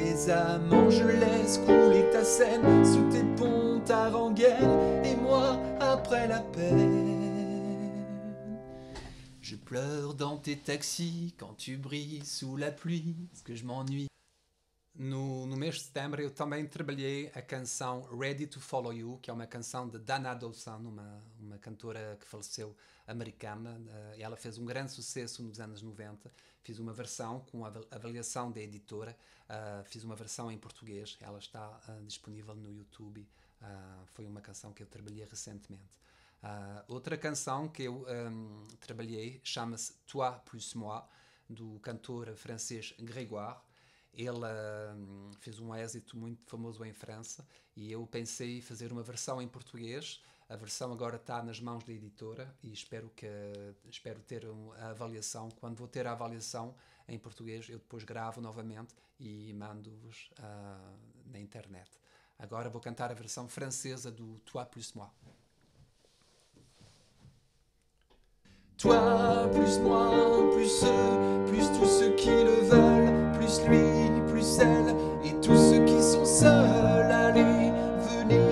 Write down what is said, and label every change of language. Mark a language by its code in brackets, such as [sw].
[fr] amants, je laisse couler ta scène sous tes ponts, ta rengaine, et moi après la peine. Je pleure dans tes taxis quand tu brilles sous la pluie, parce que je m'ennuie. [pt] No mês de setembro, eu também trabalhei a canção Ready to Follow You, que é uma canção de Dana Dawson, uma cantora que faleceu americana. Ela fez um grande sucesso nos anos 90. Fiz uma versão com avaliação da editora. Fiz uma versão em português. Ela está disponível no YouTube. Foi uma canção que eu trabalhei recentemente. Outra canção que eu trabalhei chama-se Toi plus moi, do cantor francês Grégoire. Ele fez um êxito muito famoso em França e eu pensei em fazer uma versão em português. A versão agora está nas mãos da editora e espero ter a avaliação. Quando vou ter a avaliação em português, eu depois gravo novamente e mando-vos na internet. Agora vou cantar a versão francesa do Toi plus moi. [fr] Toi plus moi, plus eux, plus tous ceux qui le veulent, plus lui, plus elle, et tous ceux qui sont seuls, allez, venez.